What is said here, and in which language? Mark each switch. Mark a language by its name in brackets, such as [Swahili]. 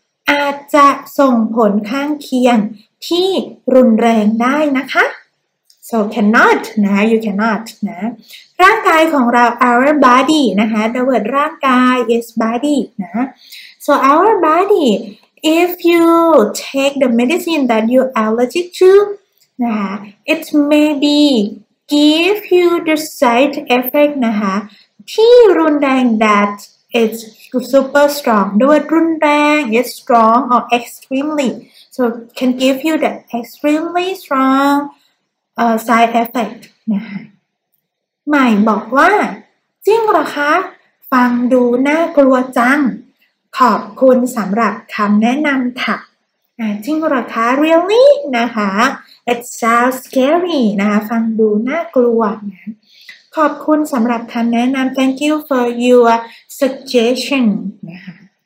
[Thai] อาจจะส่งผลข้างเคียงที่รุนแรงได้นะคะ [English] So cannot นะ you cannot นะ [Thai] ร่างกายของเรา [English] our body นะคะ the word ร่างกาย is body นะSo our body, if you take the medicine that you allergic to, nah, it may be give you the side effect, nah, [Thai] ที่รุนแรง [English] that it's super strong. The word รุนแรง is strong or extremely. So can give you the extremely strong side effect. [Thai] Nah, ใหม่บอกว่าจริงหรอคะฟังดูน่ากลัวจังขอบคุณสำหรับคำแนะนำค่ะจริงหรอคะ [English] really [Thai] นะคะ [English] it sounds scary [Thai] นะคะฟังดูน่ากลัวนะขอบคุณสำหรับคำแนะนำ [English] thank you for your suggestion [Thai] นะคะ